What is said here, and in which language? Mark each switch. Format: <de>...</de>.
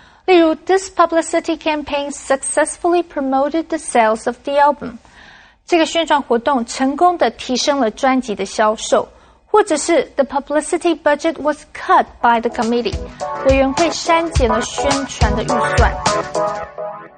<zh>例如</zh> <en>,this publicity campaign successfully promoted the sales of the album.</en> <zh>这个宣传活动成功的提升了专辑的销售。或者是</zh> <en>,the publicity budget was cut by the committee.</en> <zh>委员会删减了宣传的预算。</zh>